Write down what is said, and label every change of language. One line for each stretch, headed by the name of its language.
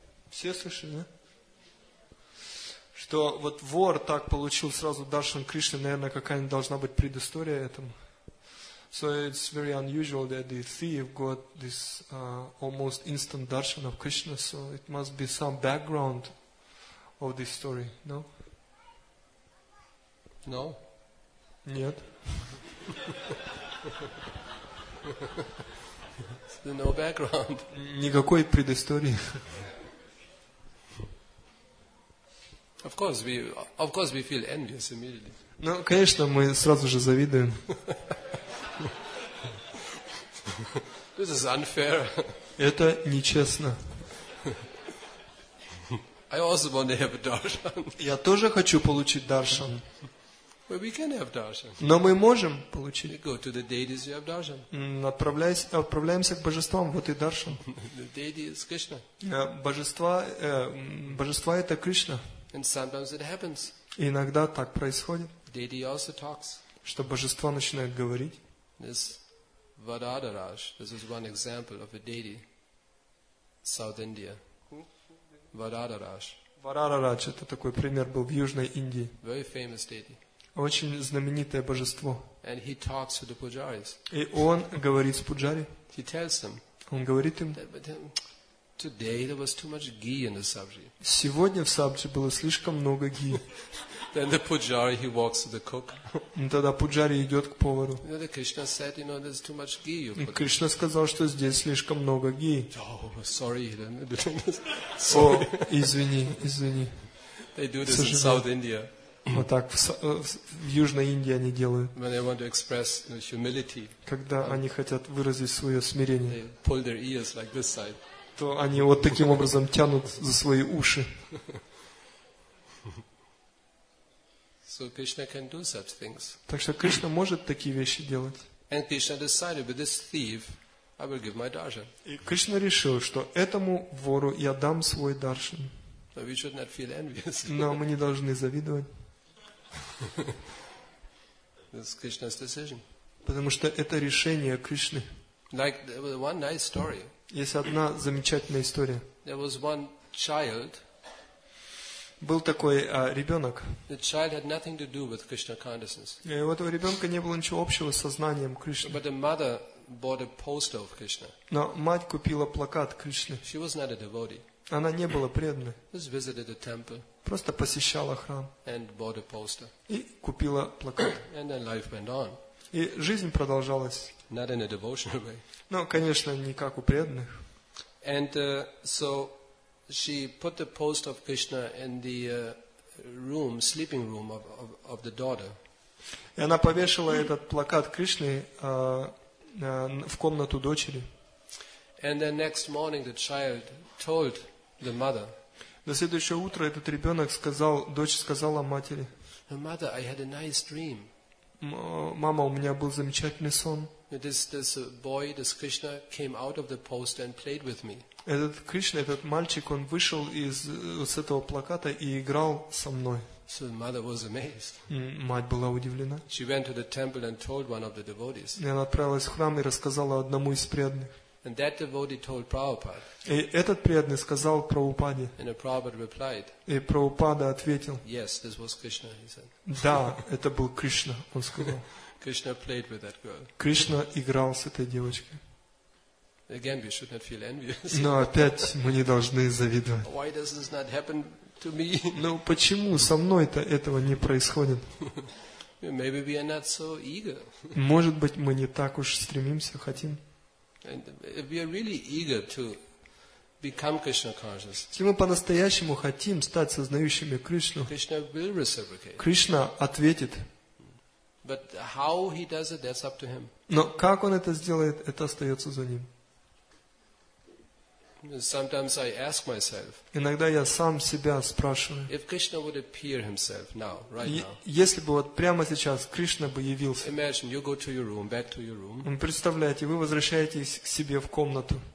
Russian: Все слышали, да? Что вот вор так получил сразу даршан Кришны, наверное, какая-нибудь должна быть предыстория этому.
English: So it's very unusual that the thief got this almost instant darshan of Krishna, so it must be some background of this story, no? No.
Russian: Нет.
English: No background.
Russian: Никакой предыстории.
English: Of course we feel envious immediately.
Russian: Ну, конечно, мы сразу же завидуем.
English: This is unfair.
Russian: Это нечестно.
English: I also want to have a darshan.
Russian: Я тоже хочу получить даршан.
English: But we can have darshan.
Russian: Но мы можем получить.
English: Go to the deities, you have darshan.
Russian: Отправляемся к божествам, вот и даршан.
English: The deity is Krishna.
Russian: Божество это Кришна.
English: And sometimes it happens.
Russian: Иногда так происходит.
English: Deity also talks.
Russian: Что божество начинает говорить.
English: This Vadadaraj, this is one example of a deity, South India. Vadadaraj.
Russian: Vadadaraj, это такой пример был в Южной Индии.
English: Very famous deity.
Russian: Очень знаменитое божество.
English: And he talks to the pujaris.
Russian: И он говорит с пуджари.
English: He tells them.
Russian: Он говорит им.
English: Today there was too much ghee in the sabji.
Russian: Сегодня в сабджи было слишком много ги.
English: Then the pujari he walks to the cook.
Russian: Тогда пуджари идет к повару.
English: And the Krishna said, you know, there's too much ghee. You
Russian: И Кришна сказал, что здесь слишком много ги.
English: Oh, sorry.
Russian: О, извини.
English: They do this in South India.
Russian: Вот так в Южной Индии они делают.
English: When they want to express, you know, humility.
Russian: Когда они хотят выразить свое смирение.
English: They pull their ears like this side.
Russian: То они вот таким образом тянут за свои уши.
English: So Krishna can do such things.
Russian: Так что Кришна может такие вещи делать.
English: And Krishna decided, with this thief, I will give my darshan.
Russian: И Кришна решил, что этому вору я дам свой даршан.
English: So we should not feel envious.
Russian: Но мы не должны завидовать.
English: This is Krishna's decision.
Russian: Потому что это решение Кришны.
English: Like there was one nice story.
Russian: Есть одна замечательная история.
English: There was one child.
Russian: Был такой ребенок.
English: The child had nothing to do with Krishna consciousness.
Russian: И у этого ребенка не было ничего общего с сознанием Кришны.
English: But the mother bought a poster of Krishna.
Russian: Но мать купила плакат Кришны.
English: She was not a devotee.
Russian: Она не была преданной.
English: Just visited the temple.
Russian: Просто посещала храм.
English: And bought a poster.
Russian: И купила плакат.
English: And then life went on.
Russian: И жизнь продолжалась.
English: Not in a devotional way.
Russian: Ну, конечно, не как у преданных.
English: And so she put the poster of Krishna in the room, sleeping room of the daughter.
Russian: И она повесила этот плакат Кришны в комнату дочери.
English: And then next morning the child told the mother.
Russian: На следующее утро этот ребенок сказал, дочь сказала матери.
English: Mother, I had a nice dream.
Russian: Мама, у меня был замечательный сон.
English: This boy, this Krishna, came out of the poster and played with me.
Russian: Этот Кришна, этот мальчик, он вышел из с этого плаката и играл со мной.
English: So the mother was amazed.
Russian: Мать была удивлена.
English: She went to the temple and told one of the devotees.
Russian: И она отправилась в храм и рассказала одному из преданных.
English: And that devotee told Prabhupada.
Russian: И этот преданный сказал Прабхупаде.
English: And Prabhupada replied.
Russian: И Прабхупада ответил.
English: Yes, this was Krishna, he said.
Russian: Да, это был Кришна, он сказал.
English: Krishna played with that girl.
Russian: Кришна играл с этой девочкой.
English: Again, we should not feel envious.
Russian: Но опять мы не должны завидовать.
English: Why does this not happen to me?
Russian: Ну почему со мной-то этого не происходит?
English: Maybe we are not so eager.
Russian: Может быть, мы не так уж стремимся, хотим.
English: And if we are really eager to become Krishna conscious,
Russian: если мы по-настоящему хотим стать сознающими Кришну,
English: Krishna will reciprocate.
Russian: Кришна ответит.
English: But how he does it, that's up to him.
Russian: Но как он это сделает, это остается за ним.
English: Sometimes I ask myself.
Russian: Иногда я сам себя спрашиваю.
English: If Krishna would appear himself now, right now.
Russian: Если бы вот прямо сейчас Кришна бы явился.
English: Imagine you go to your room, back to your room.
Russian: Представляете, вы возвращаетесь к себе в комнату.